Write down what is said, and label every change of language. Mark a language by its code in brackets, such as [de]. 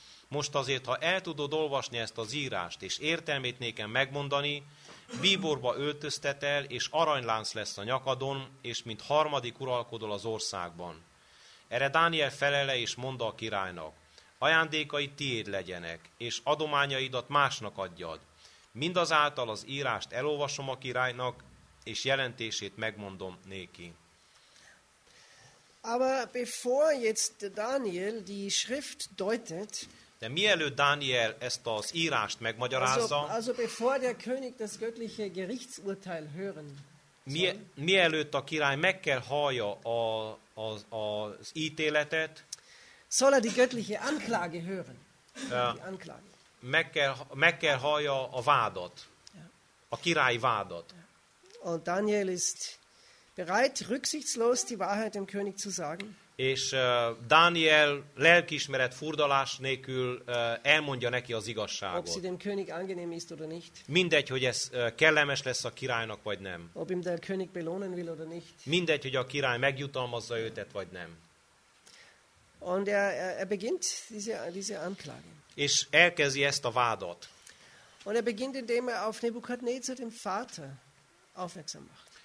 [hu] Most azért, ha el tudod olvasni ezt az írást és értelmét nékem megmondani, bíborba öltöztetel és aranylánc lesz a nyakadon, és mint harmadik uralkodol az országban. Erre Dániel felele és mondta a királynak, ajándékaid tiéd legyenek, és adományaidat másnak adjad. Mindazáltal az írást elolvasom a királynak, és jelentését megmondom néki. [de] Aber bevor jetzt Daniel die Schrift deutet, [hu] de mielőtt Dániel ezt az írást megmagyarázza, [de] also bevor der König das göttliche Gerichtsurteil hören, [hu] mielőtt a király meg kell hallja az ítéletet, [de] soll er die göttliche Anklage hören. Die Anklage. [hu] Meg kell hallja a vádat, a király vádat. [de] Und Daniel ist bereit, rücksichtslos die Wahrheit dem König zu sagen. [hu] És Dániel lelkiismeret furdalás nélkül elmondja neki az igazságot. [de] Ob sie dem König angenehm ist oder nicht. [hu] Mindegy, hogy ez kellemes lesz a királynak, vagy nem. [de] Ob ihm der König belohnen will oder nicht. [hu] Mindegy, hogy a király megjutalmazza őtet, vagy nem. [de] Und er beginnt diese Anklage. [hu] És elkezdi ezt a vádat. [de] Und er beginnt, indem er auf Nebukadnezar, dem Vater, aufmerksam macht.